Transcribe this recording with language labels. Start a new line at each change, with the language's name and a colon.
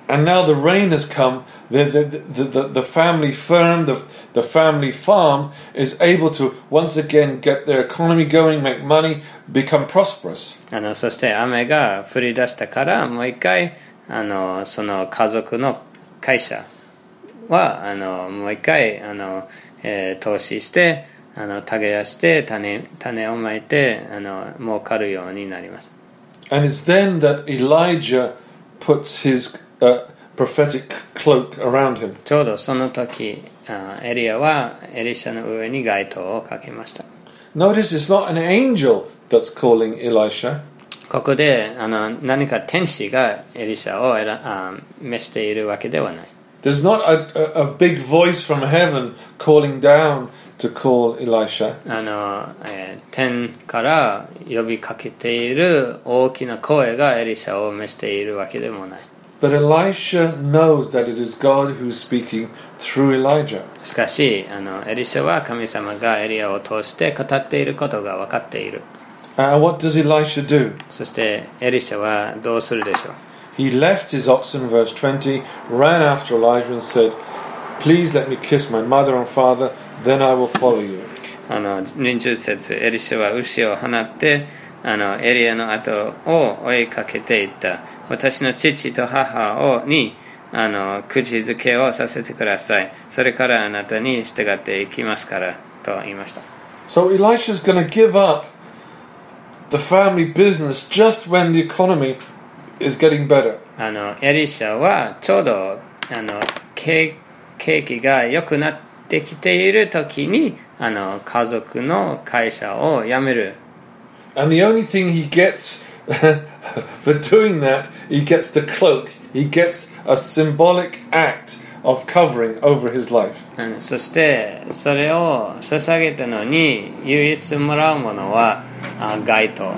English: And now the rain has come, the family firm, the family farm is able to once again get their economy going, make money, become prosperous.
Japanese: そして雨が降り出したからもう一回その家族の会社はもう一回投資して耕して種をまいて儲かるようになります。
English: And it's then that Elijah puts his prophetic cloak around him.
Japanese: ちょうどその時、エリアはエリシャの上に街灯をかけました。
English: Notice it's not an angel that's calling Elisha.
Japanese: ここで何か天使がエリシャを召しているわけではない。
English: There's not a big voice from heaven calling down to call Elisha.
Japanese: 天から呼びかけている大きな声がエリシャを召しているわけでもない。
English: But Elisha knows that it is God who is speaking through Elijah.
Japanese: しかし、エリシャは神様がエリアを通して語っていることが分かっている。
English: And what does Elisha do?
Japanese: そして、エリシャはどうするでしょう?
English: He left his oxen, verse 20, ran after Elijah and said, Please let me kiss my mother and father, then I will follow you.
Japanese: 20節、エリシャは牛を放って、エリアの後を追いかけていった。私の父と母をに口づけをさせてください。それからあなたに従っていきますからと言いました。
English: So Elisha's going to give up the family business just when the economy is getting better.
Japanese: エリシャはちょうど景気が良くなってきている時に家族の会社を辞める。
English: And the only thing he gets for doing that, he gets the cloak. He gets a symbolic act of covering over his life.
Japanese: And そしてそれを捧げたのに唯一もらうものは街灯。